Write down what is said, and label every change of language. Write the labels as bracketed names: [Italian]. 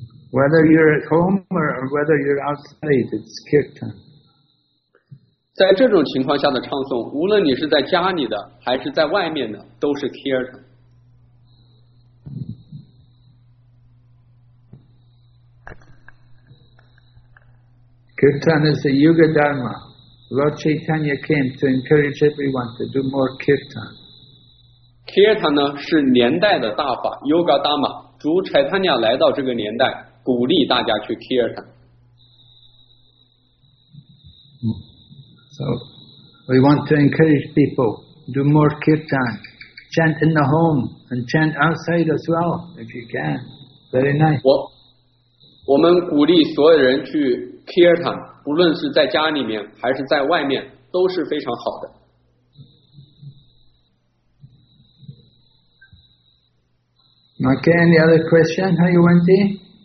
[English] Whether you're at home or whether you're outside, it's kirtan. [Chinese] 在这种情况下的唱诵，无论你是在家里的还是在外面的，都是 kirtan. [English] Kirtan is a yuga dharma. Lord Chaitanya came to encourage everyone to do more kirtan. [Chinese] Kirtan 呢是年代的大法 ，yuga dharma. 主 Chaitanya 来到这个年代，鼓励大家去 kirtan. [English] So we want to encourage people do more kirtan. Chant in the home and chant outside as well if you can. Very nice. [Chinese] 我们鼓励所有人去 kirtan， 不论是在家里面还是在外面，都是非常好的。 [English] Okay, any other question? [Chinese] 还有问题？